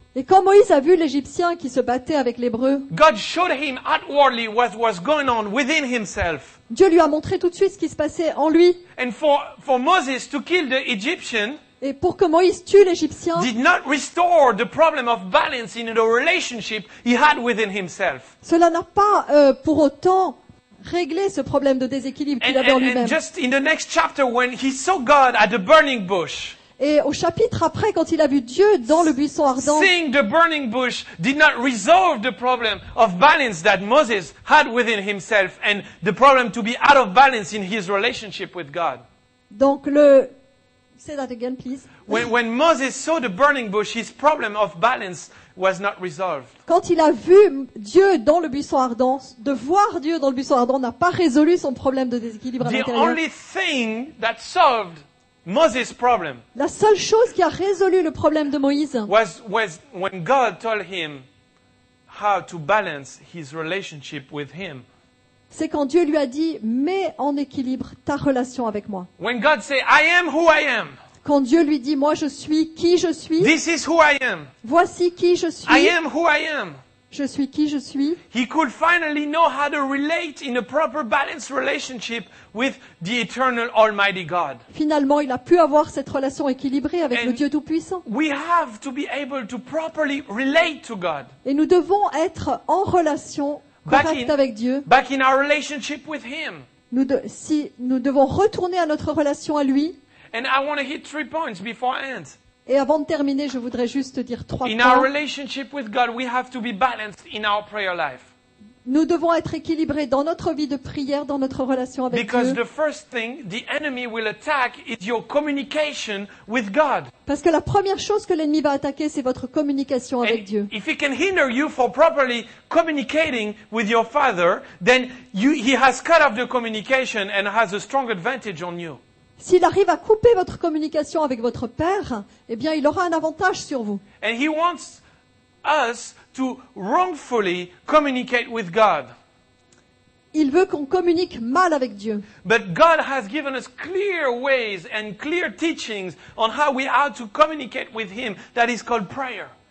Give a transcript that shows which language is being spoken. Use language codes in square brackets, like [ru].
[fr] et quand Moïse a vu l'Égyptien qui se battait avec l'Hébreu, [en] God showed him outwardly what was going on within himself. [fr] Dieu lui a montré tout de suite ce qui se passait en lui. [en] And for Moses to kill the Egyptian, [fr] et pour que Moïse tue l'Égyptien, [en] did not restore the problem of balance in the relationship he had within himself. [fr] Cela n'a pas pour autant réglé ce problème de déséquilibre qu'il avait en lui-même. [en] And just in the next chapter when he saw God at the burning bush. [fr] Et au chapitre après quand il a vu Dieu dans le buisson ardent. [en] Seeing the burning bush did not resolve the problem of balance that Moses had within himself and the problem to be out of balance in his relationship with God. [fr] Donc le [en] say that again, please. When Moses saw the burning bush, his problem of balance was not resolved. [fr] Quand il a vu Dieu dans le buisson ardent, de voir Dieu dans le buisson ardent n'a pas résolu son problème de déséquilibre intérieur. [en] The only thing that solved Moses' problem. [fr] La seule chose qui a résolu le problème de Moïse. [en] Was when God told him how to balance his relationship with him. [fr] C'est quand Dieu lui a dit, mets en équilibre ta relation avec moi. [en] When God say, I am who I am. [fr] Quand Dieu lui dit, moi je suis qui je suis. [en] This is who I am. [fr] Voici qui je suis. [en] I am who I am. [fr] Je suis qui je suis. [en] He could finally know how to relate in a proper balanced relationship with the eternal Almighty God. [fr] Finalement, il a pu avoir cette relation équilibrée avec le Dieu Tout-Puissant. [en] We have to be able to properly relate to God. [fr] Et nous devons être en relation avec Dieu. [en] Back in our relationship with him. [fr] Nous devons retourner à notre relation à lui. [en] And I want to hit 3 points before I end. [fr] Et avant de terminer, je voudrais juste dire 3 points. [en] In our relationship with God, we have to be balanced in our prayer life. [fr] Nous devons être équilibrés dans notre vie de prière, dans notre relation avec [en] Because [fr] Dieu. [en] The first thing the enemy will attack is your communication with God. [fr] Parce que la première chose que l'ennemi va attaquer, c'est votre communication avec [en] And [fr] Dieu. [en] If he can hinder you for properly communicating with your father, then he has cut off the communication and has a strong advantage on you. [fr] S'il arrive à couper votre communication avec votre père, eh bien, il aura un avantage sur vous. [en] And he wants us to wrongfully communicate with God. [fr] Il veut qu'on communique mal avec Dieu. [en] But God has given us clear ways and clear teachings on how we are to communicate with him that is called prayer.